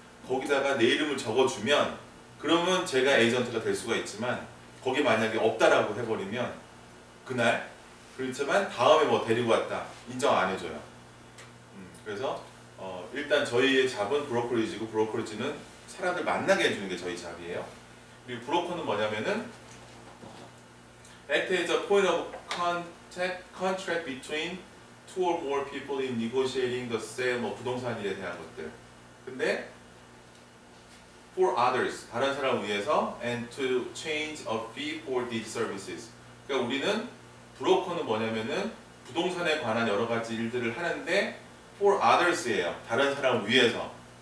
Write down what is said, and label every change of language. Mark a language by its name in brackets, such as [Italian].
[Korean] 거기다가 내 이름을 적어주면 그러면 제가 에이전트가 될 수가 있지만 거기 만약에 없다라고 해버리면 그날 그렇지만 다음에 뭐 데리고 왔다 인정 안 해줘요. 그래서 일단 저희의 잡은 브로커리지고 브로커리지는 사람들 만나게 해주는 게 저희 잡이에요. 그리고 브로커는 뭐냐면은 [English] Act as a point of contact between two or more people in negotiating the sale, [Korean] 뭐 부동산 일에 대한 것들. 근데 [English] for others, [Korean] 다른 사람을 위해서 [English] and to change a fee for these services. [Korean] 그러니까 우리는 브로커는 뭐냐면은 부동산에 관한 여러 가지 일들을 하는데 [English] for others [Korean] 예요. 다른 사람을 위해서.